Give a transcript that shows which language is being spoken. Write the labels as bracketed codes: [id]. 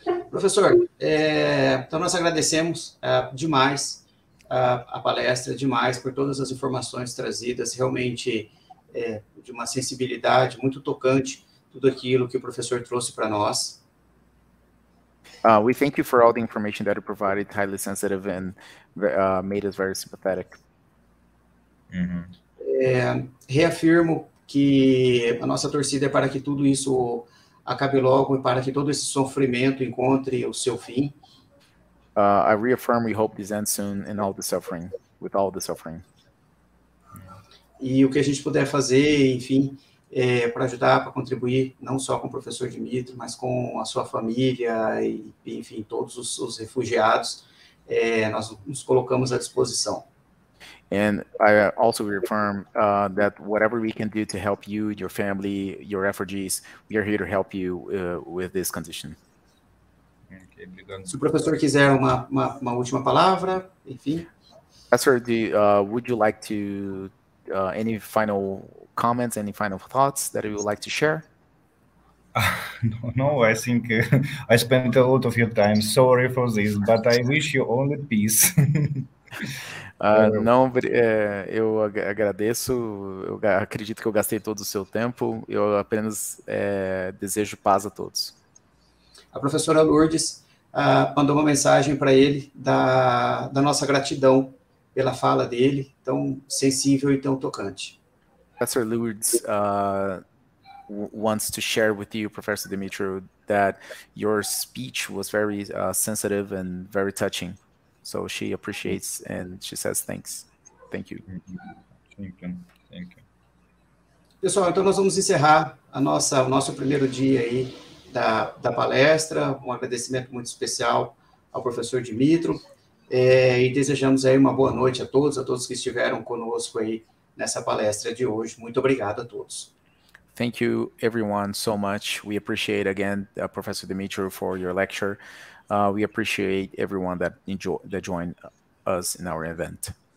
[pt] Professor, então nós agradecemos demais a palestra, demais por todas as informações trazidas, realmente... de uma sensibilidade muito tocante tudo aquilo que o professor trouxe para nós. [en] We thank you for all the information that you provided, highly sensitive and made us very sympathetic. Mm-hmm. [pt] Reafirmo que a nossa torcida é para que tudo isso acabe logo e para que todo esse sofrimento encontre o seu fim. [en] I reaffirm we hope this ends soon in all the suffering, with all the suffering. [pt] E o que a gente puder fazer, enfim, para ajudar, para contribuir, não só com o professor Dmytro, mas com a sua família e, enfim, todos os refugiados, nós nos colocamos à disposição. [en] And I also reaffirm that whatever we can do to help you, your family, your refugees, we are here to help you with this condition. [pt] Se o professor quiser uma última palavra, enfim. [en] Professor, would you like to... any final comments, any final thoughts that you would like to share? No, I think I spent a lot of your time. Sorry for this, but I wish you only peace. [pt] Não, eu agradeço. Eu acredito que eu gastei todo o seu tempo. Eu apenas desejo paz a todos. A professora Lourdes mandou uma mensagem para ele da nossa gratidão pela fala dele, tão sensível e tão tocante. [en] Professor Lourdes wants to share with you, Professor Dmytro, that your speech was very sensitive and very touching. So she appreciates and she says thanks. Thank you. Thank you. Thank you. [pt] Pessoal, então nós vamos encerrar o nosso primeiro dia aí da palestra. Um agradecimento muito especial ao Professor Dmytro. E desejamos aí uma boa noite a todos que estiveram conosco aí nessa palestra de hoje. Muito obrigado a todos. [en] Thank you everyone so much. We appreciate again Professor Dmytro for your lecture. We appreciate everyone that joined us in our event.